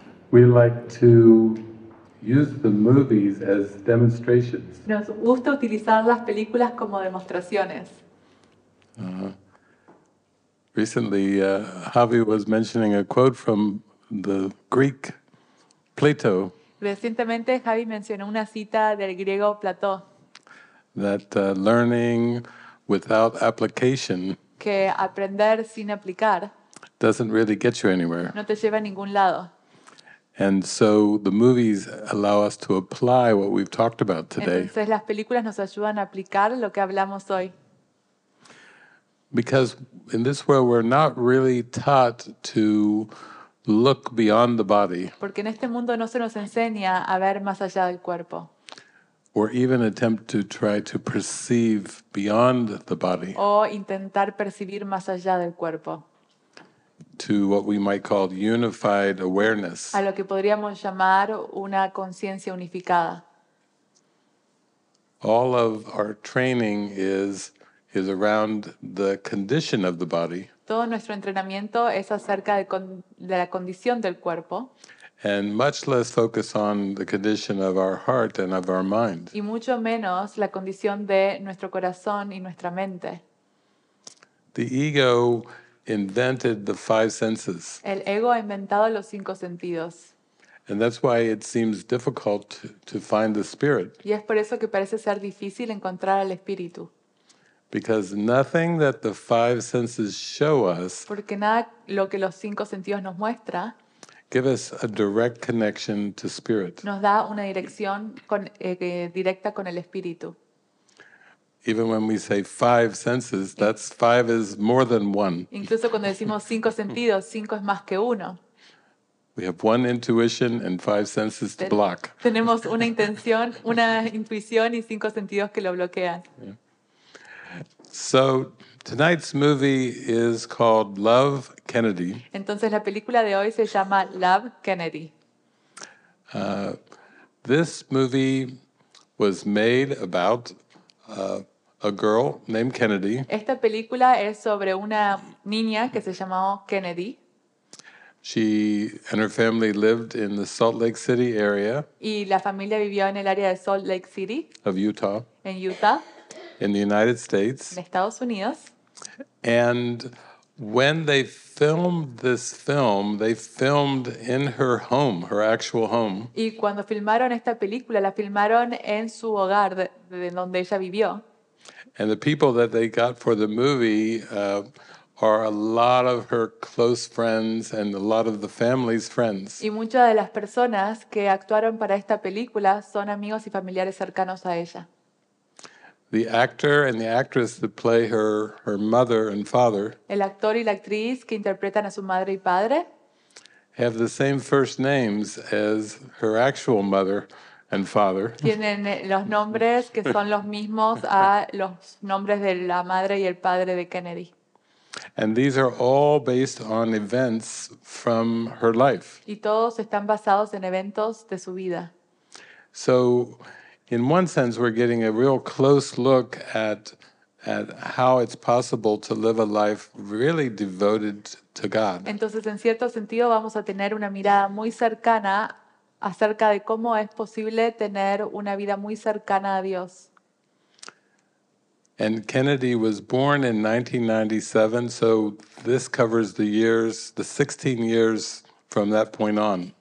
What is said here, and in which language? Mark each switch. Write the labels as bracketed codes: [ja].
[en] We like to use the movies as demonstrations. [es] Nos gusta utilizar las películas como demostraciones. [en] Recently, Javi was mentioning a quote from the Greek Plato. [es] Recientemente, Javi mencionó una cita del griego Plató. [en] That learning without application. [es] Que aprender sin aplicar. [en] Doesn't really get you anywhere. [es] No te lleva a ningún lado. [en] And so the movies allow us to apply what we've talked about today. [es] Entonces las películas nos ayudan a aplicar lo que hablamos hoy. [en] Because in this world we're not really taught to look beyond the body. [es] Porque en este mundo no se nos enseña a ver más allá del cuerpo. [en] Or even attempt to try to perceive beyond the body. [es] O intentar percibir más allá del cuerpo. [en] To what we might call unified awareness. [es] A lo que podríamos llamar una conciencia unificada. [en] All of our training is around the condition of the body. [es] Todo nuestro entrenamiento es acerca de la condición del cuerpo. [en] And much less focus on the condition of our heart and of our mind. [es] Y mucho menos la condición de nuestro corazón y nuestra mente. [en] The ego invented the five senses. [es] El ego ha inventado los cinco sentidos. [en] And that's why it seems difficult to find the spirit. [es] Y es por eso que parece ser difícil encontrar al espíritu. [en] Because nothing that the five senses show us. [es] Porque nada lo que los cinco sentidos nos muestra. [en] Give us a direct connection to spirit. [es] Nos da una dirección directa con el espíritu. [en] Even when we say five senses, that's five is more than one. [es] Incluso cuando decimos cinco sentidos, cinco es más que uno. [en] We have one intuition and five senses to block. [es] Tenemos una intención, una intuición y cinco sentidos que lo bloquean. [en] So tonight's movie is called Love, Kennedy. [es] Entonces la película de hoy se llama Love, Kennedy. [en] This movie was made about a girl named Kennedy. [es] Esta película es sobre una niña que se llamaba Kennedy. [en] She and her family lived in the Salt Lake City area. [es] Y la familia vivió en el área de Salt Lake City. [en] Of Utah. [es] En Utah. [en] In the United States. [es] En Estados Unidos. [en] And when they filmed this film, they filmed in her home, her actual home. [es] Y cuando filmaron esta película, la filmaron en su hogar, de donde ella vivió. [en] And the people that they got for the movie are a lot of her close friends and a lot of the family's friends. [es] Y muchas de las personas que actuaron para esta película son amigos y familiares cercanos a ella. [en] The actor and the actress that play her mother and father. [es] El actor y la actriz que interpretan a su madre y padre. [en] Have the same first names as her actual mother and father. [es] Tienen los nombres que son los mismos a los nombres de la madre y el padre de Kennedy. [en] And these are all based on events from her life. [es] Y todos están basados en eventos de su vida. [en] So in one sense, we're getting a real close look at how it's possible to live a life really devoted to God. [es] Entonces, en cierto sentido, vamos a tener una mirada muy cercana acerca de cómo es posible tener una vida muy cercana a Dios. [en] And Kennedy was born in 1997, so this covers the 16 years from that point on.